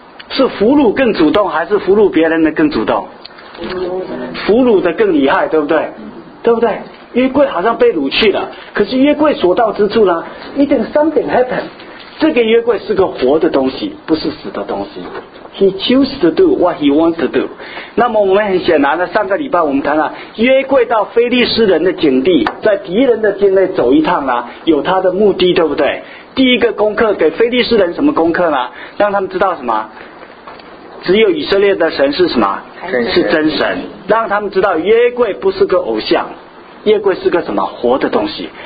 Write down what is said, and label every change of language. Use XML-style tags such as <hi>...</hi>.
<zh>是俘虏更主动，还是俘虏别人的更主动？俘虏的更厉害，对不对？对不对？约柜好像被掳去了，可是约柜所到之处呢，一定</zh> <en>something happen。</en> <zh>这个约柜是个活的东西，不是死的东西。</zh> <en>He choose to do what he wants to do。</en> <zh>那么我们很显然的，上个礼拜我们谈了约柜到非利士人的境地，在敌人的境内走一趟啊，有他的目的，对不对？第一个功课给非利士人什么功课呢？让他们知道什么？只有以色列的神是什么？是真神。让他们知道约柜不是个偶像，约柜是个什么？活的东西。</zh>